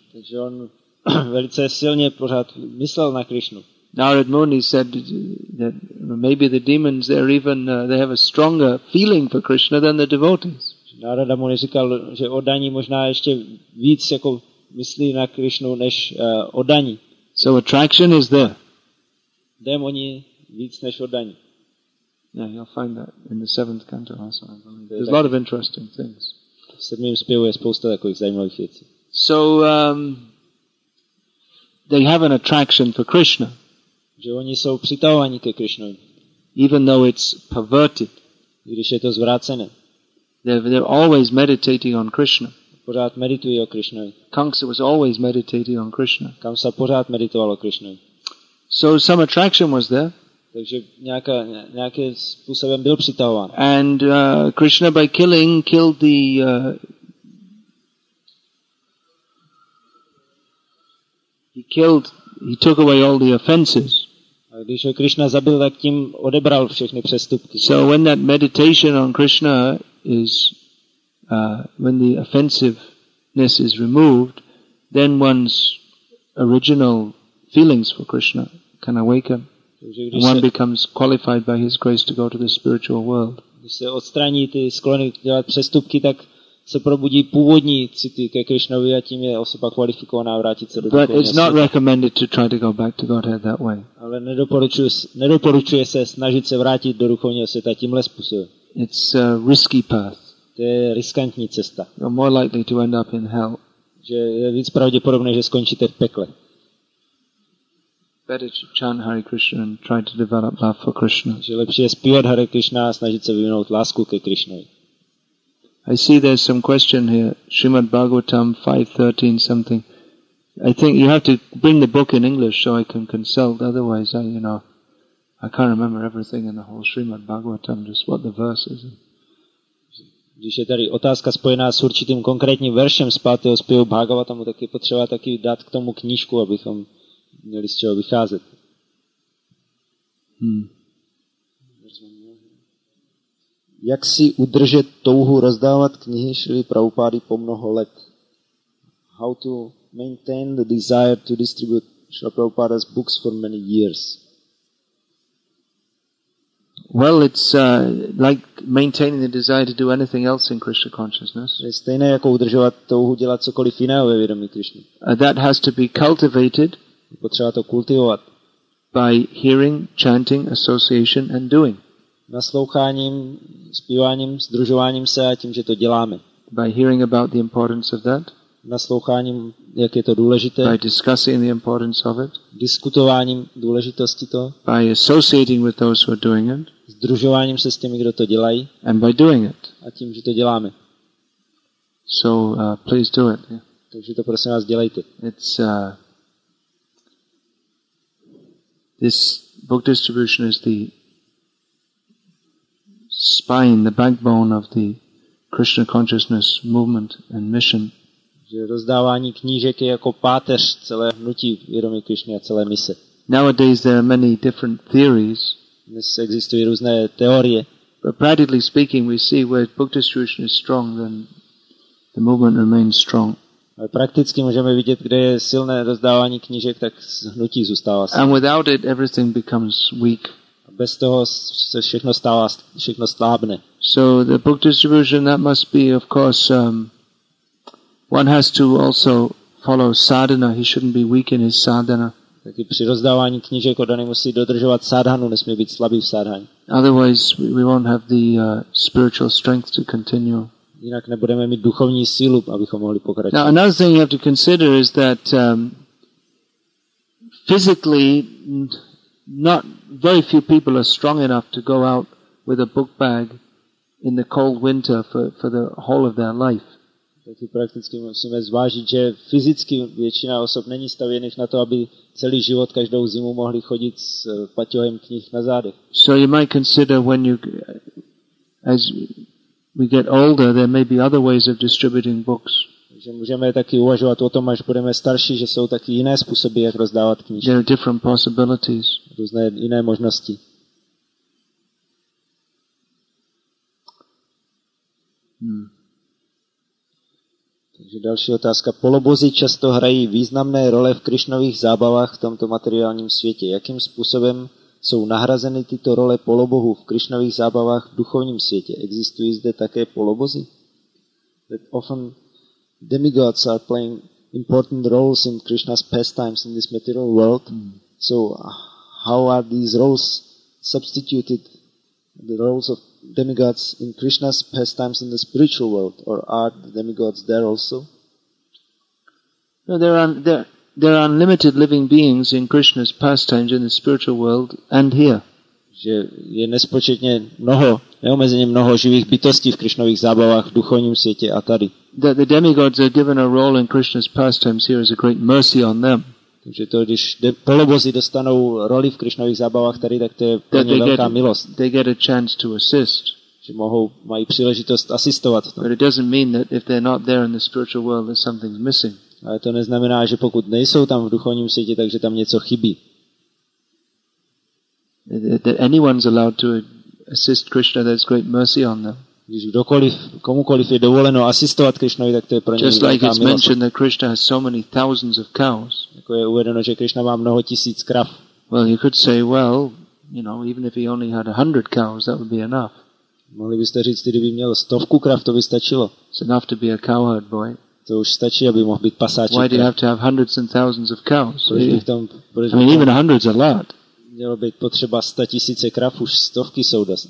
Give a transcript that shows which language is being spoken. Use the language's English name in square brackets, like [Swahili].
[Czech] Takže on velice silně pořád myslel na Krishnu. [English] Narad Muni said that maybe the demons there even they have a stronger feeling for Krishna than the devotees. [Czech] Narada Muni říkal, že oddaní možná ještě víc jako myslí na Krishnu než oddaní. [English] So attraction is there. [Czech] Démoni víc než oddaní. [English] Yeah, you'll find that in the seventh canto also. There's a lot of interesting things. [Czech] V sedmém zpěvu je spousta takových zajímavých věcí. [English] So they have an attraction for Krishna. [Czech] Že oni jsou přitahováni ke Krishnovi. [English] Even though it's perverted. [Czech] Když je to zvrácené. [English] They're always meditating on Krishna. [Czech] Pořád meditují o Krishnovi. [English] Kamsa was always meditating on Krishna. [Czech] Kamsa pořád meditoval o Krishnovi. [English] So some attraction was there. [Czech] Takže nějakým způsobem byl přitahován. [English] And Krishna by killed the he took away all the offenses. [Czech] A když ho Krishna zabil, tak tím odebral všechny přestupky. [English] So when that meditation on Krishna is when the offensiveness is removed, then one's original feelings for Krishna can awaken. And one becomes qualified by his grace to go to the spiritual world. [Czech] Když se odstraní ty sklony dělat přestupky, tak se probudí původní city ke Krishnovi a tím je osoba kvalifikovaná vrátit se do [English] But it's not recommended to try to go back to Godhead that way. [Czech] Ale nedoporučuje se snažit se vrátit do duchovního světa tímhle způsobem. [English] It's a risky path. [Czech] To je riskantní cesta. [English] You're more likely to end up in hell. [Czech] Že je víc pravděpodobné, že skončíte v pekle. [English] better to chant Hare Krishna and try to develop love for Krishna. [Czech] Že lepší je zpívat Hare Krishna a snažit se vyvinout lásku ke Krishnovi. [English] I see there's some question here, Srimad Bhagavatam 5.13 something. I think you have to bring the book in English so I can consult, otherwise I can't remember everything in the whole Srimad Bhagavatam, just what the verse is. [Czech] Když je tady otázka spojená s určitým konkrétním veršem z 5. zpěvu Bhagavatamu, tak je potřeba taky dát k tomu knížku, abychom měli z čeho vycházet. Jak si udržet touhu rozdávat knihy Šrily Prabhupády po mnoho let? [English] How to maintain the desire to distribute Srila Prabhupada's books for many years? Well, it's like maintaining the desire to do anything else in Krishna consciousness. [Czech] Je stejné jako udržovat touhu dělat cokoliv jiného ve vědomí Krishna. [English] That has to be cultivated. [Czech] Potřeba to kultivovat. [English] By hearing, chanting, association and doing. [Czech] Nasloucháním, zpíváním, sdružováním se a tím, že to děláme. [English] By hearing about the importance of that. [Czech] Nasloucháním, jak je to důležité. [English] By discussing the importance of it. [Czech] Diskutováním důležitosti toho. [English] By associating with those who are doing it. [Czech] Sdružováním se s těmi, kdo to dělají. [English] And by doing it. [Czech] A tím, že to děláme. [English] So please do it. Yeah. [Czech] Takže to prosím vás dělejte. [English] It's this book distribution is the spine, the backbone of the Krishna consciousness movement and mission. [Czech] Že rozdávání knížek je jako páteř celé hnutí vědomí Krishny a celé mise. [English] Nowadays there are many different theories. [Czech] Dnes existují různé teorie. [English] But practically speaking, we see where book distribution is strong, then the movement remains strong. [Czech] Ale prakticky můžeme vidět, kde je silné rozdávání knížek, tak hnutí zůstává silné. [English] And without it, everything becomes weak. [Czech] A bez toho se všechno stává, všechno slábne. [English] So the book distribution, that must be, of course, one has to also follow sadhana. He shouldn't be weak in his sadhana. [Czech] Taky při rozdávání knížek daný musí dodržovat sadhanu, nesmí být slabý v sadhaně. [English] Otherwise we won't have the spiritual strength to continue. [Czech] Jinak nebudeme mít duchovní sílu, abychom mohli pokračovat. [English] Now another thing you have to consider is that physically not very few people are strong enough to go out with a book bag in the cold winter for the whole of their life. [Czech] Taky prakticky musíme zvážit, že fyzicky většina osob není stavěných na to, aby celý život každou zimu mohli chodit s paťohem knih na zádech. [English] So you might consider when you, as we get older, there may be other ways of distributing books. [Czech] Takže můžeme taky uvažovat o tom, až budeme starší, že jsou taky jiné způsoby, jak rozdávat knihy. [English] There are different possibilities. [Czech] Různé jiné možnosti. Takže další otázka. Polobozy často hrají významné role v Krišnových zábavách v tomto materiálním světě. Jakým způsobem jsou nahrazeny tyto role polobohů v Krišnových zábavách v duchovním světě? Existují zde také polobozy? [English] That often demigods are playing important roles in Krishna's pastimes in this material world. So how are these roles substituted, the roles of demigods in Krishna's pastimes in the spiritual world, or are the demigods there also? No, there are unlimited living beings in Krishna's pastimes in the spiritual world and here. [Czech] Že je nespočetně mnoho, neomezeně mnoho živých bytostí v Krišnových zábavách v duchovním světě a tady. [English] That the demigods are given a role in Krishna's pastimes here is a great mercy on them. [Czech] Že to, když polobozy dostanou roli v Krišnových zábavách tady, tak to je pro ně velká milost. [English] They get a chance to assist. [Czech] Že mají příležitost asistovat. [English] But it doesn't mean that if they're not there in the spiritual world, then something's missing. [Czech] Ale to neznamená, že pokud nejsou tam v duchovním světě, takže tam něco chybí. [English] That anyone's allowed to assist Krishna, there's great mercy on them. [Czech] Když komukoliv je dovoleno asistovat Krishnovi, tak to je pro něj velká milost. [English] Just like it's mentioned that Krishna has so many thousands of cows. [Czech] Jako je uvedeno, že Krishna má mnoho tisíc krav. [English] Well, you could say, well, you know, even if he only had 100 cows, that would be enough. [Czech] Mohli byste říct, kdyby měl stovku krav, to by stačilo. [English] It's enough to be a cowherd boy. [Czech] To už stačí, aby mohl být pasáček. [English] Why do you have to have hundreds and thousands of cows? [Czech] Proč bych tam, [English] I mean, even hundreds a lot. [Czech] mělo být potřeba 100 000 krav, už stovky soudas.